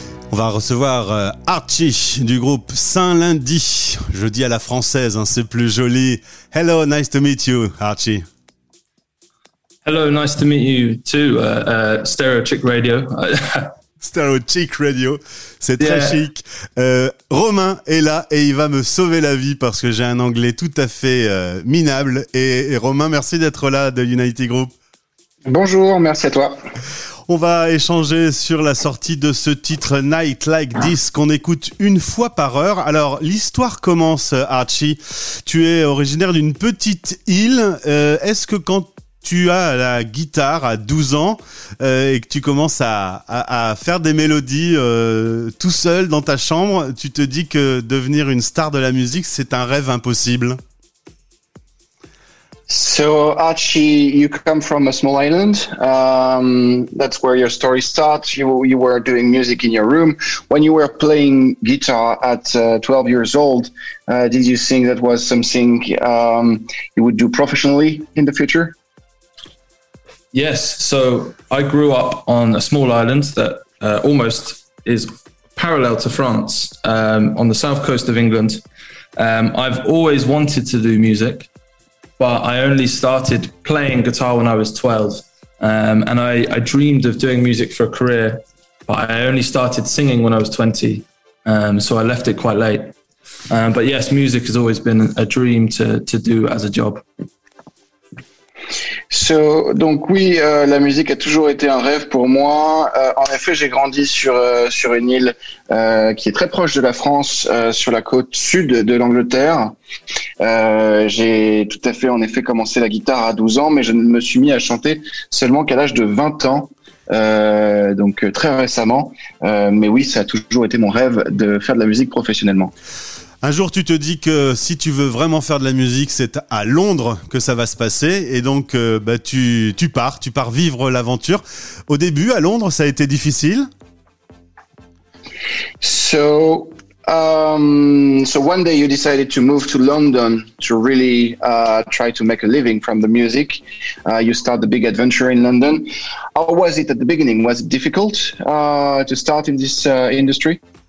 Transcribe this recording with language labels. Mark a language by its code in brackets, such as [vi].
[fr] On va recevoir Archie du groupe Saint-Lundi. Je dis à la française, hein, c'est plus joli. [en] Hello, nice to meet you, Archie. Hello, nice to meet you too, Stéréochic Radio. Stéréochic Radio, c'est très chic. Romain est là et il va me sauver la vie parce que j'ai un anglais tout à fait minable. Et Romain, merci d'être là de United Group. Bonjour, merci à toi. On va échanger sur la sortie de ce titre Night Like This qu'on écoute une fois par heure. Alors, l'histoire commence, Archie. Tu es originaire d'une petite île. Est-ce que quand tu as la guitare à 12 ans et que tu commences à faire des mélodies tout seul dans ta chambre, tu te dis que devenir une star de la musique, c'est un rêve impossible? So, Archie, you come from a small island. That's where your story starts. You were doing music in your room. When you were playing guitar at 12 years old, did you think that was something you would do professionally in the future? Yes. So, I grew up on a small island that almost is parallel to France, on the south coast of England. I've always wanted to do music. But I only started playing guitar when I was 12. And I dreamed of doing music for a career, but I only started singing when I was 20. So I left it quite late. But yes, music has always been a dream to do as a job. [fr] So, donc oui, la musique a toujours été un rêve pour moi. En effet, j'ai grandi sur une île qui est très proche de la France, sur la côte sud de l'Angleterre. J'ai tout à fait, en effet, commencé la guitare à 12 ans, mais je ne me suis mis à chanter seulement qu'à l'âge de 20 ans, donc très récemment. Mais oui, ça a toujours été mon rêve de faire de la musique professionnellement. Un jour, tu te dis que si tu veux vraiment faire de la musique, c'est à Londres que ça va se passer. Et donc, tu pars vivre l'aventure. Au début, à Londres, ça a été difficile. [en] So one day you decided to move to London to really try to make a living from the music. You start the big adventure in London. How was it at the beginning? Was it difficult to start in this industry?